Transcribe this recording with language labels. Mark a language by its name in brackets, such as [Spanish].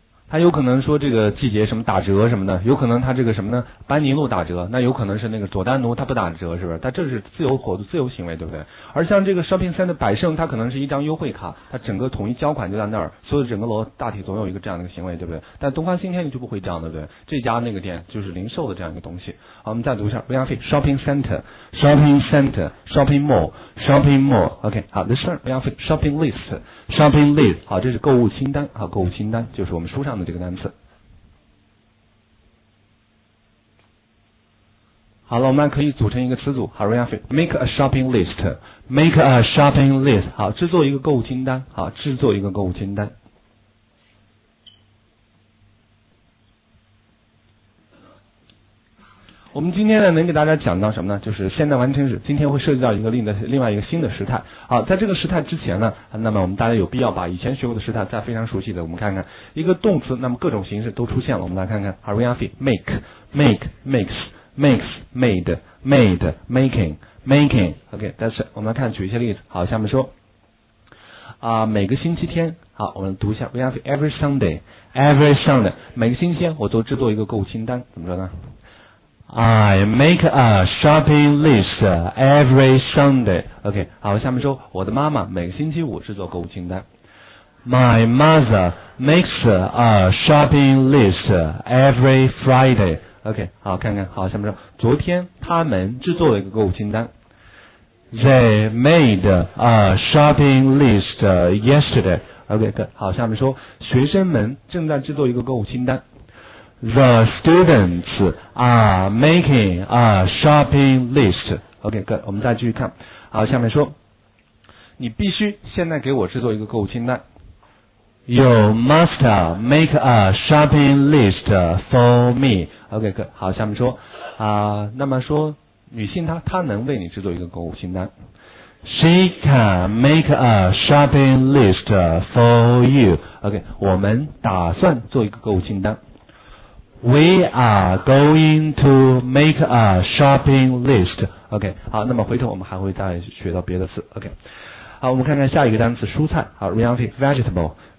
[Chinese] 他有可能说这个季节什么打折什么的，有可能他这个什么呢，班尼路打折，那有可能是那个佐丹奴他不打折，是不是？他这是自由活动自由行为，对不对？而像这个 shopping center 百盛，他可能是一张优惠卡，他整个统一交款就在那儿，所以整个楼大体总有一个这样的一个行为，对不对？但东方新天地就不会这样，对不对？这家那个店就是零售的这样一个东西。 [English] 好， [Chinese] 我们再读一下 [English] VIP shopping center shopping center shopping mall shopping mall OK 好 this one VIP shopping list shopping list 好， [Chinese] 这是购物清单。好，购物清单就是我们书上这个单词。好了，我们可以组成一个词组。 [English] 好 ，make a shopping list， make a shopping list。 [Chinese] 好，制作一个购物清单。好，制作一个购物清单。我们今天呢，能给大家讲到什么呢？就是现在完成时，今天会涉及到一个另外一个新的时态。好，在这个时态之前呢，那么我们大家有必要把以前学过的时态再非常熟悉的，我们看看一个动词，那么各种形式都出现了。我们来看看 [English] ，are we happy? Make, make, makes, makes, made, made, making, making. OK, that's it. [Chinese] 我们来看举一些例子。好，下面说啊，每个星期天，好，我们读一下 ， [English] we happy every Sunday, every Sunday. [Chinese] 每个星期天我都制作一个购物清单，怎么说呢？ [English] I make a shopping list every Sunday. [Chinese] OK, 好，下面说我的妈妈每个星期五制作购物清单。 [English] My mother makes a shopping list every Friday. [Chinese] OK, 好，看看，好，下面说昨天他们制作了一个购物清单。 [English] They made a shopping list yesterday. [Chinese] OK, 好，下面说学生们正在制作一个购物清单。 [English] The students are making a shopping list. [Chinese] OK, good. 我们再继续看。好，下面说，你必须现在给我制作一个购物清单。 [English] You must make a shopping list for me. OK, good. [Chinese] 好，下面说，那么说，女性她能为你制作一个购物清单。 [English] She can make a shopping list for you. [Chinese] OK, 我们打算做一个购物清单。 [English] We are going to make a shopping list. [Chinese] OK, 好，那么回头我们还会再学到别的词。OK, 好，我们看看下一个单词，蔬菜。 [English] 好 ，vegetable。